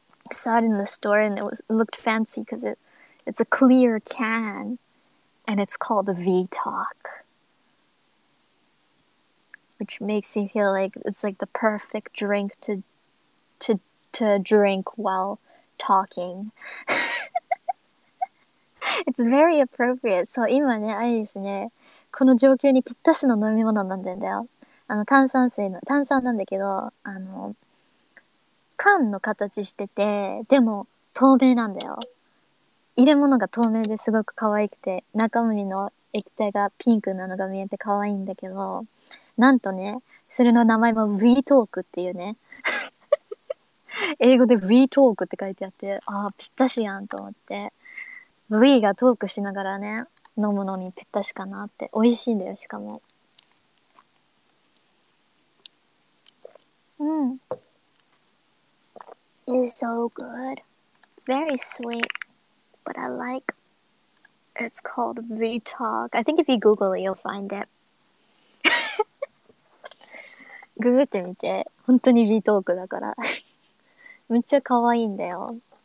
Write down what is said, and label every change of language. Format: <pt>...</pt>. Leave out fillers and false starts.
<en>I saw it in the store and it looked fancy because it's a clear can and it's called a V-Talk. Which makes you feel like it's like the perfect drink to drink while talking. It's very appropriate.</en> <ja>So, 今ね、あれですね、この状況にぴったしの飲み物なんだよ。あの炭酸水の炭酸なんだけど、あの缶の形しててでも透明なんだよ。入れ物が透明ですごく可愛くて、中身の液体がピンクなのが見えて可愛いんだけど、なんとね、それの名前も V トークっていうね。英語で V トークって書いてあって、ああぴったしやんと思って、 V がトークしながらね飲むのにぴったしかなって。美味しいんだよ、しかも。 Mm.</ja> <en>It's so good. It's very sweet, but I like it's called V-Talk. I think if you Google it, you'll find it.</en> <ja>Google ってみて。本当に V-Talk だから。めっちゃ可愛いんだよ。</ja>